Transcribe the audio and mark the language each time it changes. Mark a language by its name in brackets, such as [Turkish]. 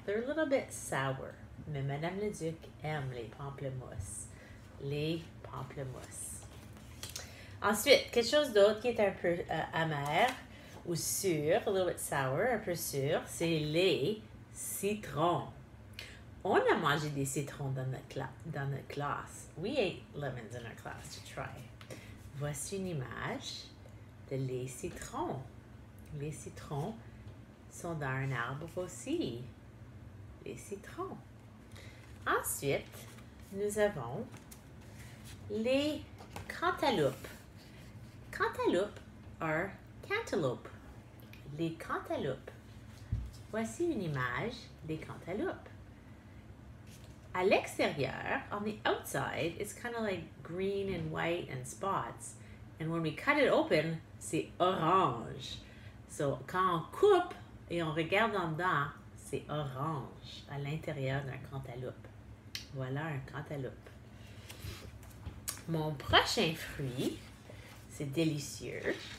[English] They're a little bit sour. [French] Mais Madame le Duc aime les pamplemousses. Les pamplemousses. Ensuite, quelque chose d'autre qui est un peu amère. Ou sûr, [English] a little bit sour, [French] un peu sûr, c'est les citrons. On a mangé des citrons dans notre classe. [English] We ate lemons in our class to try. [French] Voici une image de les citrons. Les citrons sont dans un arbre aussi. Les citrons. Ensuite, nous avons les cantaloupes. [English] Cantaloupes are cantaloupes. Les cantaloupes. [French] Voici une image des cantaloupes. À l'extérieur, [English] on the outside, it's kind of like green and white and spots. And when we cut it open, [French] c'est orange. So, quand on coupe et on regarde en dedans, c'est orange à l'intérieur d'un cantaloupe. Voilà un cantaloupe. Mon prochain fruit, c'est délicieux.